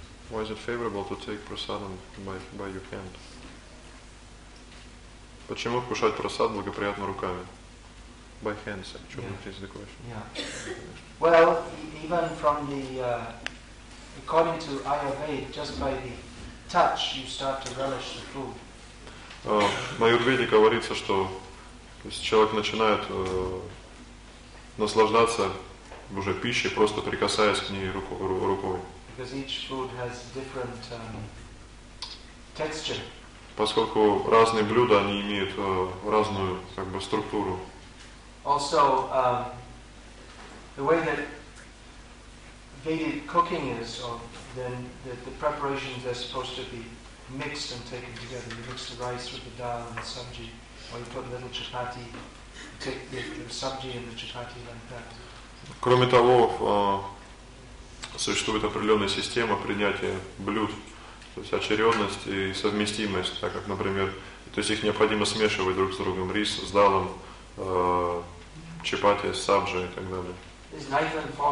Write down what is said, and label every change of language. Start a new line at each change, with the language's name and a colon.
English: Why is it favorable to take prasadam by your hand?
Russian: Почему кушать просад благоприятно руками?
English: By hands, actually, yeah. Is the question. Yeah. Well, even from the, according to Ayurveda, just by the touch, you start to relish the food.
Russian: В Аюрведе говорится, что если человек начинает наслаждаться уже пищей, просто прикасаясь к ней рукой.
English: Because each food has different texture.
Russian: Поскольку разные блюда, они имеют разную как бы структуру.
English: Also, the way that Vedic cooking is, or then the preparations are supposed to be mixed and taken together. You mix the rice with the dal and the sabji, or you put a little chapati, take the sabji and the chapati like that.
Russian: Кроме того, существует определенная система принятия блюд. То есть очередность и совместимость, так как, например, то есть их необходимо смешивать друг с другом, рис с далом, чапати, сабджи и так далее.